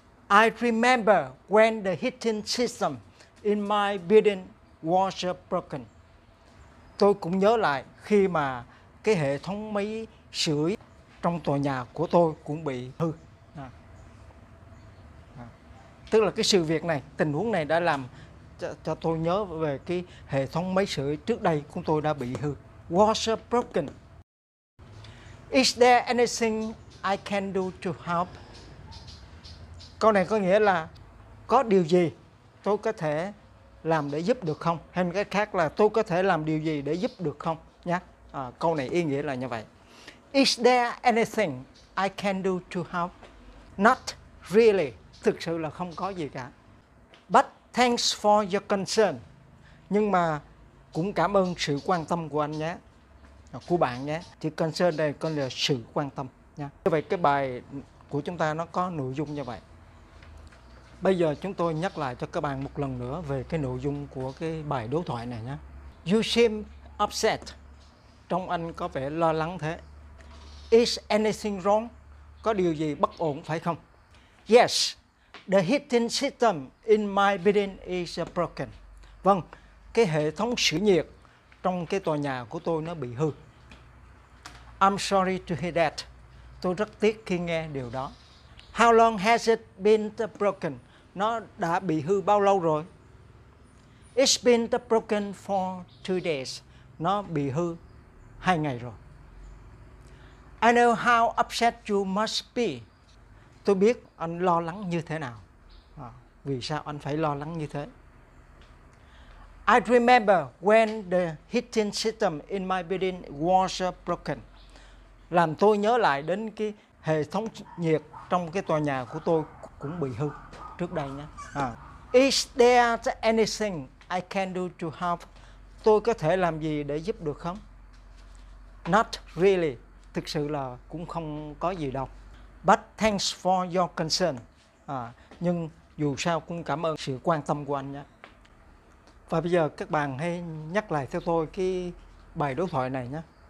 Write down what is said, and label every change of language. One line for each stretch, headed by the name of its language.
English: I remember when the heating system in my building was broken.
Vietnamese: Tôi cũng nhớ lại khi mà cái hệ thống máy sưởi trong tòa nhà của tôi cũng bị hư. Tức là cái sự việc này, tình huống này đã làm cho tôi nhớ về cái hệ thống máy sưởi trước đây của tôi đã bị hư.
English: Was broken. Is there anything I can do to help?
Vietnamese: Câu này có nghĩa là có điều gì tôi có thể làm để giúp được không? Hay cái khác là tôi có thể làm điều gì để giúp được không? Nhá. Câu này ý nghĩa là như vậy.
English: Is there anything I can do to help? Not really.
Vietnamese: Thực sự là không có gì cả.
English: But thanks for your concern.
Vietnamese: Nhưng mà cũng cảm ơn sự quan tâm của anh nhé. Của bạn nhé. Chữ concern đây có nghĩa là sự quan tâm nha. Như vậy cái bài của chúng ta nó có nội dung như vậy. Bây giờ chúng tôi nhắc lại cho các bạn một lần nữa về cái nội dung của cái bài đối thoại này nhé.
English: You seem upset.
Vietnamese: Trông anh có vẻ lo lắng thế.
English: Is anything wrong?
Vietnamese: Có điều gì bất ổn phải không?
English: Yes. The heating system in my building is broken.
Vietnamese: Vâng, cái hệ thống sưởi nhiệt trong cái tòa nhà của tôi nó bị hư.
English: I'm sorry to hear that.
Vietnamese: Tôi rất tiếc khi nghe điều đó.
English: How long has it been broken?
Vietnamese: Nó đã bị hư bao lâu rồi?
English: It's been broken for 2 days.
Vietnamese: Nó bị hư 2 ngày rồi.
English: I know how upset you must be.
Vietnamese: Tôi biết anh lo lắng như thế nào. Vì sao anh phải lo lắng như thế?
English: I remember when the heating system in my building was broken.
Vietnamese: làm tôi nhớ lại đến cái hệ thống nhiệt trong cái tòa nhà của tôi cũng bị hư trước đây nhé.
English: Is there anything I can do to help?
Vietnamese: Tôi có thể làm gì để giúp được không?
English: Not really.
Vietnamese: Thực sự là cũng không có gì đâu.
English: But thanks for your concern.
Vietnamese: Nhưng dù sao cũng cảm ơn sự quan tâm của anh nhé. Và bây giờ các bạn hãy nhắc lại theo tôi cái bài đối thoại này nhé.